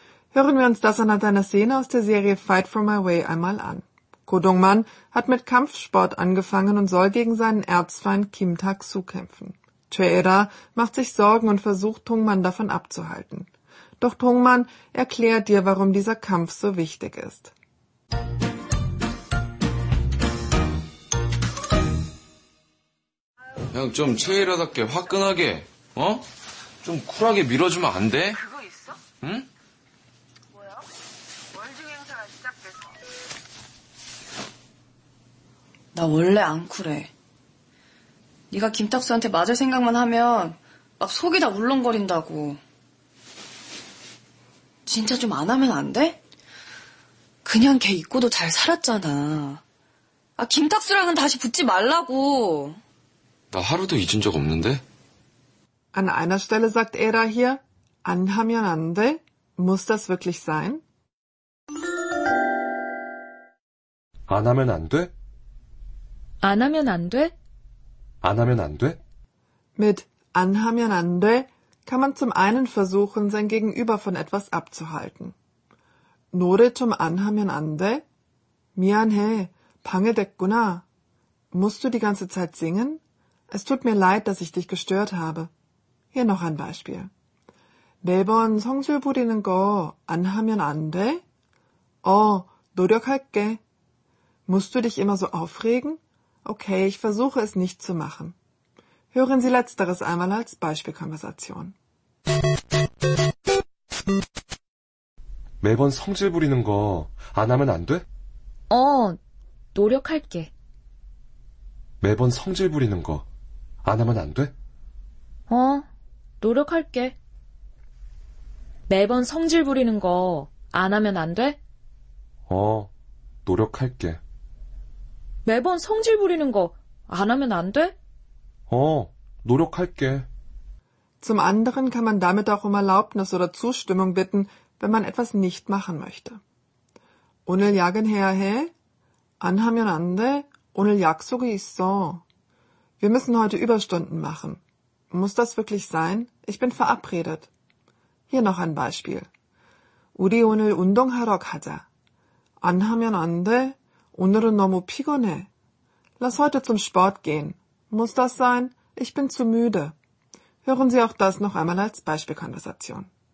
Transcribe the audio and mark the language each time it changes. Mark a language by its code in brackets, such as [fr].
[de] Hören wir uns das anhand einer Szene aus der Serie Fight for My Way einmal an. Ko Dong-man hat mit Kampfsport angefangen und soll gegen seinen Erzfeind Kim Tak-soo kämpfen. Choi-era macht sich Sorgen und versucht, Tung-man davon abzuhalten. Doch Tung-man erklärt dir, warum dieser Kampf so wichtig ist. [ko] Kang, 좀 최애라답게 화끈하게, 어? 좀 쿨하게 밀어주면 안 돼? 그거 있어? 응? 뭐야? 월중 행사가 시작돼서. 나 원래 안 쿨해. 네가 김탁수한테 맞을 생각만 하면 막 속이 다 울렁거린다고. 진짜 좀 안 하면 안 돼? 그냥 걔 잊고도 잘 살았잖아. 아, 김탁수랑은 다시 붙지 말라고. 나 하루도 잊은 적 없는데? [de] An einer Stelle sagt er da hier, an haben an de, muss das wirklich sein? [ko] 안 하면 안 돼? 안 하면 안 돼? 안 하면 안 돼? [de] Mit an haben an de kann man zum einen versuchen, sein Gegenüber von etwas abzuhalten. [ko] 노래 좀 안 하면 안 돼? 미안해, 방해됐구나. [de] Musst du die ganze Zeit singen? Es tut mir leid, dass ich dich gestört habe. Hier noch ein Beispiel. [ko] 매번 성질 부리는 거 안 하면 안 돼? 노력할게. [de] Musst du dich immer so aufregen? Okay, ich versuche es nicht zu machen. Hören Sie letzteres einmal als Beispielkonversation. [ko] 매번 성질 부리는 거 안 하면 안 돼? 노력할게. 매번 성질 부리는 거 안 하면 안 돼? 노력할게. 매번 성질 부리는 거 안 하면 안 돼? 노력할게. 매번 성질 부리는 거 안 하면 안 돼? 노력할게. [de] Zum anderen kann man damit auch um Erlaubnis oder Zustimmung bitten, wenn man etwas nicht machen möchte. [ko] 오늘 야근 해야 해? 안 하면 안 돼? 오늘 약속이 있어. [de] Wir müssen heute Überstunden machen. Muss das wirklich sein? Ich bin verabredet. Hier noch ein Beispiel. [ko] 우리 오늘 운동하러 가자. 안 하면 안 돼? 오늘은 너무 피곤해. [de] Lass heute zum Sport gehen. Muss das sein? Ich bin zu müde. Hören Sie auch das noch einmal als Beispielkonversation.